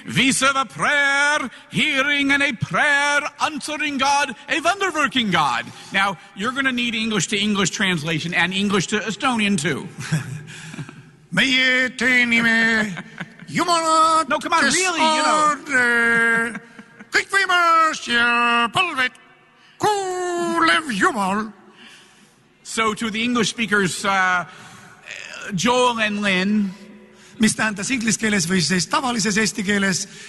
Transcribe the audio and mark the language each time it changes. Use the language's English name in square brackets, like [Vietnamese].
[English] We serve a prayer, hearing and a prayer, answering God, a wonder-working God. Now, you're going to need English to English translation and English to Estonian too. [Estonian] Meie teenime Jumala. [English] No, come on, really, you know. [Estonian] Kõik võimas ja palved kuulev Jumal. [English] So to the English speakers, Joel and Lin. [Estonian] Mis tähendas inglise keeles või siis tavalises eesti keeles.